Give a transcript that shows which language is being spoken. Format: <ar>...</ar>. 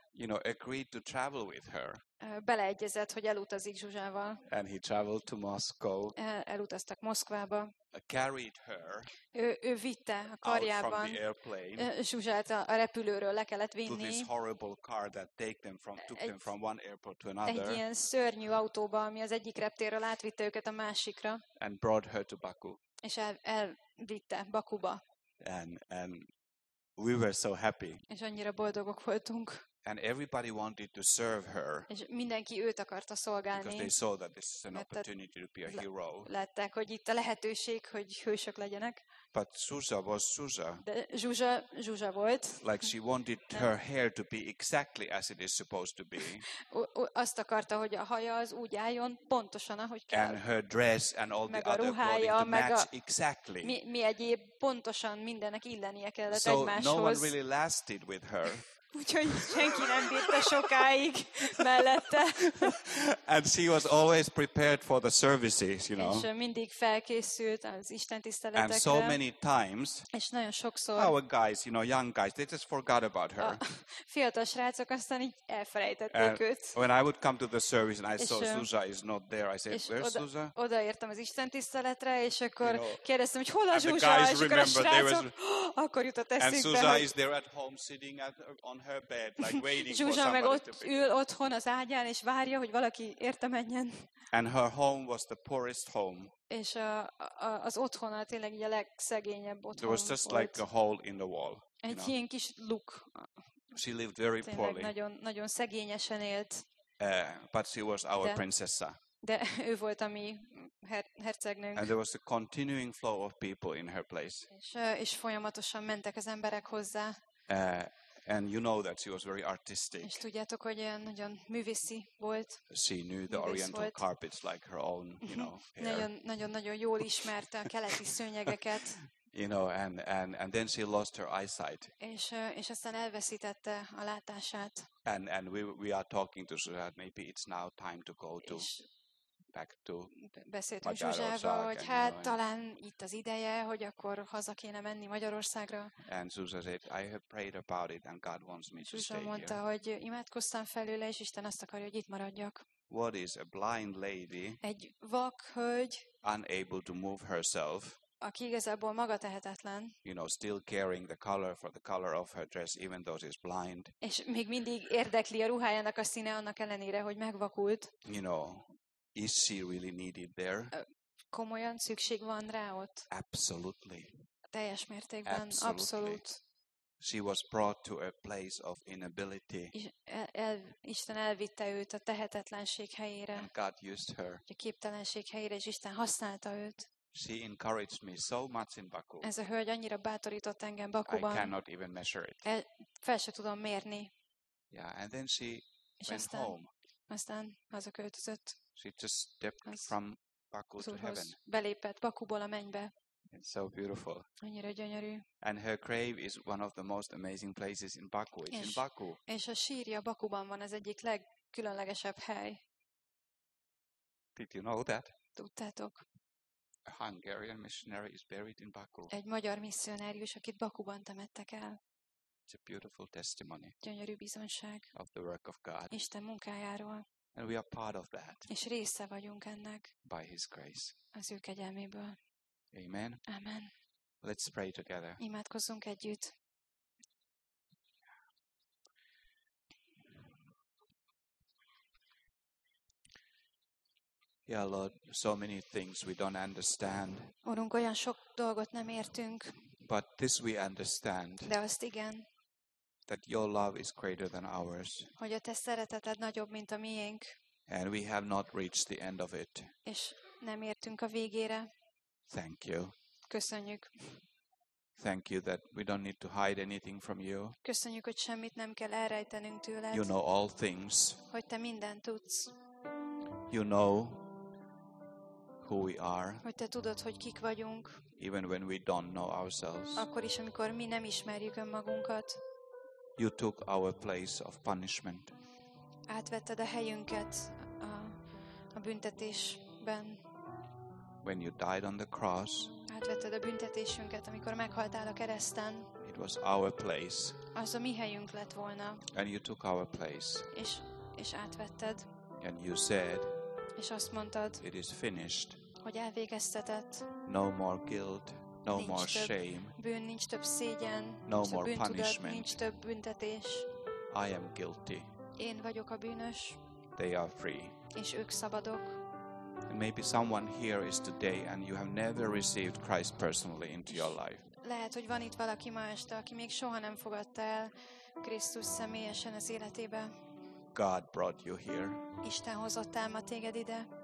<en>You know, agreed to travel with her.</en> <hu>Beleegyezett, hogy elutazik Zsuzsával.</hu> <en>And he traveled to Moscow.</en> <hu>Elutaztak Moszkvába.</hu> <en>Carried her.</en> <hu>Ő vitte a karjában.</hu> <en>Out from the airplane.</en> <hu>Zsuzsát a repülőről le kellett vinni.</hu> <en>To this horrible car that took them from one airport to another.</en> <hu>Egy ilyen szörnyű autóba, ami az egyik reptérről átvitte őket a másikra.</hu> <en>And brought her to Baku.</en> <hu>És elvitte Bakuba.</hu> <en>And we were so happy.</en> <hu>És annyira boldogok voltunk.</hu> <en>And everybody wanted to serve her.</en> <hu>És mindenki őt akarta szolgálni.</hu> <en>Because they saw that this is an opportunity to be a hero.</en> <hu>Látták, hogy itt a lehetőség, hogy hősök legyenek.</hu> <en>But Zsuzsa was Zsuzsa.</en> <hu>De Zsuzsa, Zsuzsa volt.</hu> <en>Like she wanted her hair to be exactly as it is supposed to be.</en> <hu>Azt akarta, hogy a haja az úgy álljon, pontosan, ahogy kell.</hu> <en>And her dress and all</en> <hu>meg</hu> <en>the other</en> <hu>ruhája,</hu> <en>clothing to match</en> <hu>a...</hu> <en>exactly.</en> <hu>Mi egyéb pontosan mindennek illenie kellett</hu> <en>so</en> <hu>egymáshoz.</hu> <en>So no one really lasted with her.</en> <hu>Úgyhogy senki nem bírta sokáig mellette.</hu> <en>And she was always prepared for the services, you know.</en> <hu>És mindig felkészült az istentiszteletekre.</hu> <en>And so many times.</en> <hu>És nagyon sokszor.</hu> <en>Our guys, you know, young guys, they just forgot about her.</en> <hu>Fiatal srácok aztán így elfelejtették őt.</hu> <en>When I would come to the service and I saw Zsuzsa is not there, I said, "Where's Zsuzsa?"</en> <hu>Odaértem az istentiszteletre, és akkor kérdeztem, hogy hol a Zsuzsa? És akkor a srácok, akkor jutott eszükbe.</hu> <en>And Zsuzsa is there at home sitting at on her bed like waiting for</en> <hu>somebody meg ott ül otthon az ágyán és várja, hogy valaki érte menjen.</hu> <en>And her home was the poorest home.</en> <hu>És az otthona tényleg a legszegényebb otthon.</hu> <en>There was just</en> <hu>volt.</hu> <en>Like a hole in the wall.</en> <hu>Egy ilyen kis luk.</hu> <en>She lived very</en> <hu>tényleg</hu> <en>poorly.</en> <hu>Nagyon nagyon szegényesen élt.</hu> <en>But she was our princessa.</en> <hu>De ő volt a mi hercegnőnk.</hu> <en>And there was a continuing flow of people in her place.</en> <hu>És folyamatosan mentek az emberek hozzá.</hu> <en>And you know that she was very artistic.</en> <hu>És tudjátok, hogy olyan nagyon művészi volt.</hu> <en>She knew the oriental carpets like her own, you know.</en> <hu>Nagyon nagyon nagyon jól ismerte a keleti szőnyegeket.</hu> <en>You know, and then she lost her eyesight.</en> <hu>És aztán elveszítette a látását.</hu> <en>And we are talking to Zsuzsa, maybe it's now time to go to back to</en> <hu>beszéltünk Zsuzsával, hogy hát talán itt az ideje, hogy akkor haza kéne menni Magyarországra.</hu> <en>And Zsuzsa said, I have prayed about it and God wants me to stay here.</en> <hu>Mondta, hogy imádkoztam felőle, és Isten azt akarja, hogy itt maradjak.</hu> <en>What is a blind lady?</en> <hu>Egy vak hölgy.</hu> <en>Unable to move herself.</en> <hu>Aki igazából maga tehetetlen.</hu> <en>You know, still caring the color for the color of her dress, even though she's blind.</en> <hu>És még mindig érdekli a ruhájának a színe annak ellenére, hogy megvakult.</hu> <en>You know, is she really needed there?</en> <hu>Komolyan szükség van rá ott?</hu> <en>Absolutely.</en> <hu>Teljes mértékben, abszolút.</hu> <en>She was brought to a place of inability.</en> <hu>Isten elvitte őt a tehetetlenség helyére.</hu> <en>And God used her.</en> <hu>A képtelenség helyére, és Isten használta őt.</hu> <en>She encouraged me so much in Baku.</en> <hu>Ez a hölgy annyira bátorított engem Bakuban.</hu> <en>I cannot even measure it.</en> <hu>Fel se tudom mérni.</hu> <en>Yeah, and then she</en> <hu>és</hu> <en>went</en> <hu>aztán,</hu> <en>home.</en> <hu>Aztán hazaköltözött.</hu> <en>She just stepped from Baku to heaven.</en> <hu>Belépett Bakuból a mennybe.</hu> <en>It's so beautiful.</en> <hu>Annyira gyönyörű.</hu> <en>And her grave is one of the most amazing places in Baku. It's in Baku.</en> <hu>És a sírja Bakuban van, az egyik legkülönlegesebb hely.</hu> <en>Did you know that?</en> <hu>Tudtátok.</hu> <en>A Hungarian missionary is buried in Baku.</en> <hu>Egy magyar misszionárius, akit Bakuban temettek el.</hu> <en>It's a beautiful testimony.</en> <hu>Gyönyörű bizonyság.</hu> <en>Of the work of God.</en> <hu>Isten munkájáról.</hu> <en>And we are part of that.</en> <hu>És része vagyunk ennek.</hu> <en>By His grace.</en> <hu>Az ő kegyelméből.</hu> <en>Amen.</en> <hu>Amen.</hu> <en>Let's pray together.</en> <hu>Imádkozzunk együtt.</hu> <en>Yeah, Lord, so many things we don't understand.</en> <hu>Urunk, olyan sok dolgot nem értünk.</hu> <en>But this we understand.</en> <hu>De azt igen.</hu> <en>That your love is greater than ours.</en> <hu>Hogy a te szereteted nagyobb, mint a miénk.</hu> <en>And we have not reached the end of it.</en> <hu>És nem értünk a végére.</hu> <en>Thank you.</en> <hu>Köszönjük.</hu> <en>Thank you that we don't need to hide anything from you.</en> <hu>Köszönjük, hogy semmit nem kell elrejtenünk tőled.</hu> <en>You know all things.</en> <hu>Hogy te mindent tudsz.</hu> <en>You know who we are.</en> <hu>Hogy te tudod, hogy kik vagyunk.</hu> <en>Even when we don't know ourselves.</en> <hu>Akkor is, amikor mi nem ismerjük önmagunkat.</hu> <en>You took our place of punishment.</en> <hu>Átvetted a helyünket a büntetésben.</hu> <en>When you died on the cross.</en> <hu>Átvetted a büntetésünket, amikor meghaltál a kereszten.</hu> <en>It was our place.</en> <hu>Az a mi helyünk lett volna.</hu> <en>And you took our place.</en> <hu>És átvetted.</hu> <en>And you said.</en> <hu>És azt mondtad.</hu> <en>It is finished.</en> <hu>Hogy elvégeztetett.</hu> <en>No more guilt. No more shame.</en> <hu>Bűn, nincs több szégyen.</hu> <en>No more punishment.</en> <hu>Nincs több büntetés.</hu> <en>I am guilty.</en> <hu>Én vagyok a bűnös.</hu> <en>They are free.</en> <hu>És ők szabadok.</hu> <en>And maybe someone here is today and you have never received Christ personally into your life.</en> <hu>Lehet, hogy van itt valaki ma este, aki még soha nem fogadta el Krisztus személyesen az életébe.</hu> <en>God brought you here.</en> <hu>Isten hozott el ma téged ide.</hu>